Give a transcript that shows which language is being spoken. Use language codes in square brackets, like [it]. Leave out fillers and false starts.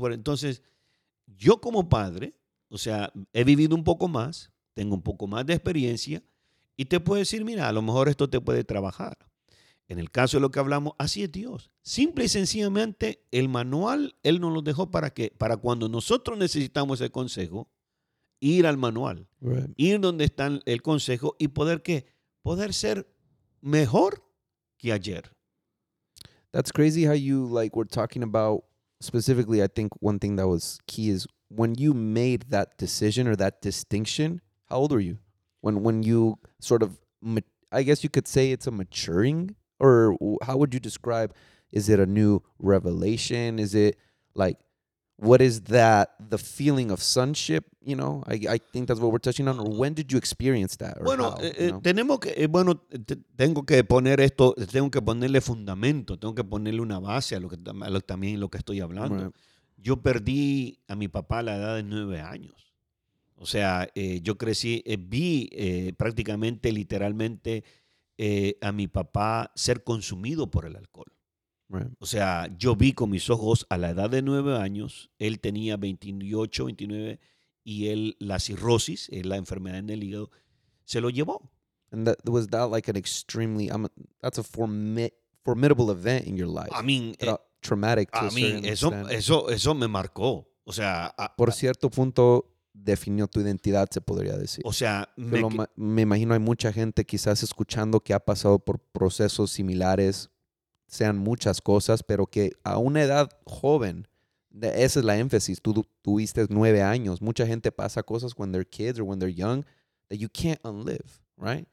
[es] Entonces, yo como padre, o sea, he vivido un poco más, tengo un poco más de experiencia, y te puedo decir, mira, a lo mejor esto te puede trabajar. En el caso de lo que hablamos, así es Dios. Simple y sencillamente, el manual, Él nos lo dejó para que, para cuando nosotros necesitamos el consejo, ir al manual, [en] right, [es] ir donde está el consejo y poder, ¿qué? Poder ser mejor que ayer. [en] That's crazy how you, like, were talking about, specifically, I think one thing that was key is when you made that decision or that distinction, how old were you? When you sort of, I guess you could say it's a maturing. Or how would you describe, is it a new revelation? Is it like, what is that, the feeling of sonship, you know? I think that's what we're touching on. Or when did you experience that? Or [es] bueno, [en] how, [es] tengo que poner esto, tengo que ponerle fundamento, tengo que ponerle una base a lo que también lo que estoy hablando. Right. Yo perdí a mi papá a la edad de 9 años. O sea, yo crecí, vi prácticamente, literalmente, a mi papá ser consumido por el alcohol. [en] Right. [es] O sea, yo vi con mis ojos a la edad de 9 años, él tenía 28, 29, y él, la cirrosis, la enfermedad en el hígado, se lo llevó. [en] And that, was that like an extremely, that's a formidable event in your life. I mean, traumatic to [es] a mí, eso me marcó. O sea, por cierto punto, definió tu identidad, se podría decir. O sea, me imagino hay mucha gente quizás escuchando que ha pasado por procesos similares, sean muchas cosas, pero que a una edad joven, esa es la énfasis, tú tuviste 9 años, mucha gente pasa cosas [en] when they're kids or when they're young that you can't unlive, right?